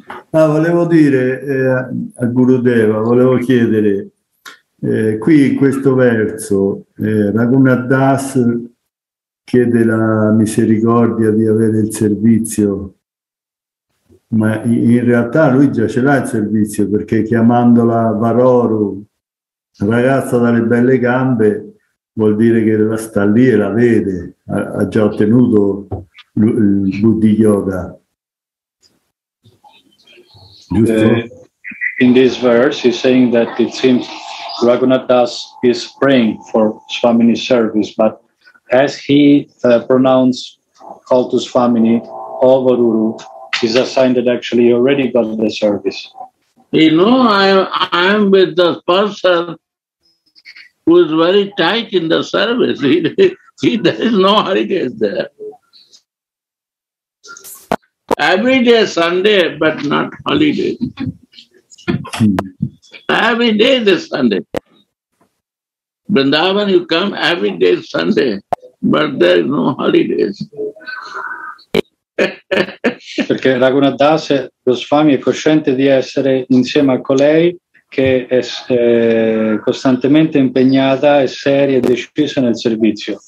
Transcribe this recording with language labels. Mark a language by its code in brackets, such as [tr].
[it] Ah, volevo dire a Gurudeva, volevo chiedere, qui in questo verso, Raghunath Das chiede la misericordia di avere il servizio, ma in realtà lui già ce l'ha il servizio, perché chiamandola Varoru, ragazza dalle belle gambe, vuol dire che sta lì e la vede, ha già ottenuto il Buddhi Yoga. Giusto? [en] In this verse he's saying that it seems Raghunath Das is praying for Swamini's service, but as he pronounced call to Swamini, Avaruru is assigned that actually you already got the service. You know, I'm with the person who is very tight in the service. There is no holidays there. Every day Sunday, but not holiday. Every day is Sunday. Vrindavan, you come every day is Sunday, but there is no holidays. [it] Perché Raghunath Das Goswami è cosciente di essere insieme a colei che è costantemente impegnata e seria e decisa nel servizio.